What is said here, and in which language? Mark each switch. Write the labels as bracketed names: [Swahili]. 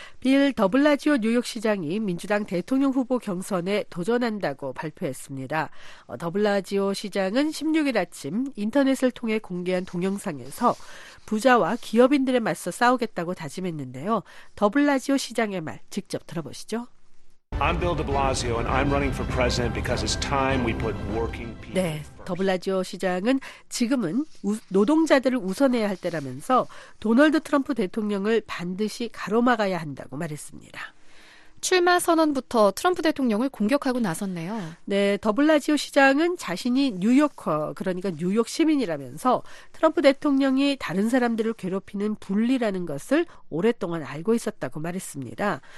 [Korean] 빌 더블라지오 뉴욕시장이 민주당 대통령 후보 경선에 도전한다고 발표했습니다. 더블라지오 시장은 16일 아침 인터넷을 통해 공개한 동영상에서 부자와 기업인들에 맞서 싸우겠다고 다짐했는데요. 더블라지오 시장의 말 직접 들어보시죠. [English] I'm Bill de Blasio and I'm running for president because it's time we put working people. [Korean] 네, 더블라지오 시장은 지금은 노동자들을 우선해야 할 때라면서 도널드 트럼프 대통령을 반드시 가로막아야 한다고 말했습니다. 출마 선언부터 트럼프 대통령을 공격하고 나섰네요. 네, 더블라지오 시장은 자신이 뉴욕커, 그러니까 뉴욕 시민이라면서 트럼프 대통령이 다른 사람들을 괴롭히는 분리라는 것을 오랫동안 알고 있었다고 말했습니다.